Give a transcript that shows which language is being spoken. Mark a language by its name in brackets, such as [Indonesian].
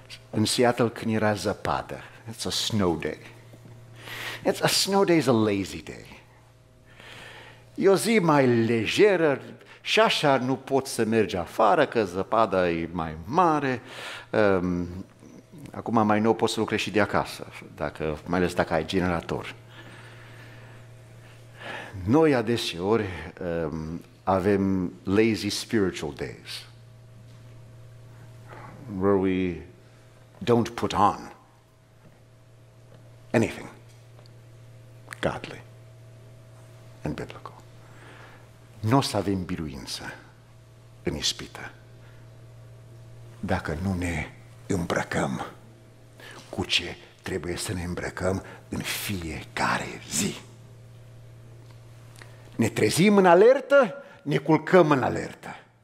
[Romanian] În Seattle când era zăpadă. [English] It's a snow day. A lazy day. [Romanian] E o zi mai lejeră și așa nu pot să mergi afară că zăpada e mai mare. Acum mai nou poți să lucrezi și de acasă, dacă, mai ales dacă ai generator. Noi adeseori avem [English] lazy spiritual days where we don't put on anything godly and biblical. [Romanian] N-o să avem biruință în ispită dacă nu ne îmbrăcăm cu ce trebuie să ne îmbrăcăm în fiecare zi. Ne trezim în alertă, ne culcăm în alertă.